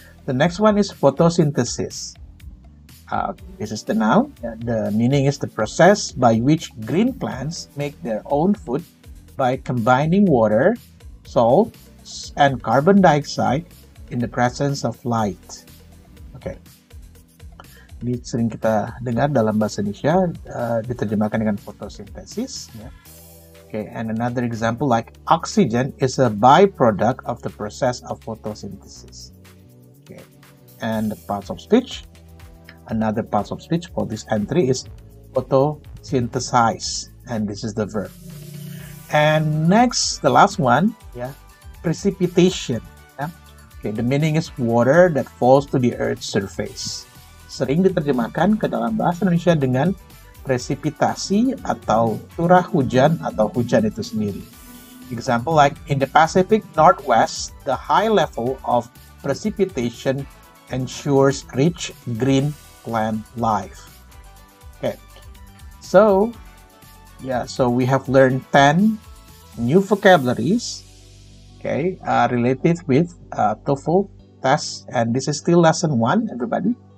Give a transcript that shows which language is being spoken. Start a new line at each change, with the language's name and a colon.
English: The next one is photosynthesis. This is the noun. The meaning is the process by which green plants make their own food by combining water, salt, and carbon dioxide in the presence of light. Okay.
Indonesian: Ini sering kita dengar dalam bahasa Indonesia, diterjemahkan dengan fotosintesis.
English: Yeah. Okay. And another example, like oxygen is a byproduct of the process of photosynthesis. Okay. And the parts of speech. Another part of speech for this entry is photosynthesize, and this is the verb. And next, the last one, yeah, precipitation. Yeah? Okay, the meaning is water that falls to the earth's surface.
Indonesian: Sering diterjemahkan ke dalam bahasa Indonesia dengan precipitasi atau curah hujan atau hujan itu sendiri.
English: Example like in the Pacific Northwest, the high level of precipitation ensures rich green plant life. Okay, so yeah, so we have learned 10 new vocabularies, okay, related with TOEFL test, and this is still lesson 1, everybody.